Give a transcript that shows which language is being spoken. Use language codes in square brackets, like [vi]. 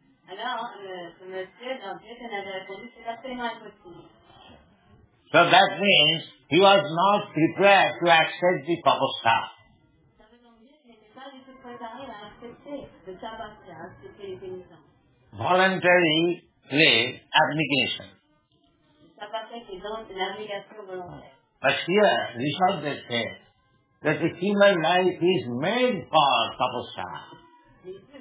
[fr] Alors, le monsieur, Lord Jetland, avait répondu, c'est absolument impossible. [en] So that means he was not prepared to accept the tapasya. [fr] Ça veut dire qu'il n'était pas du tout préparé à accepter le tapasya, à accepter les pénitents. [en] Voluntary slave abnegation. But here, Rishabhdev says that the human life is made for tapasya.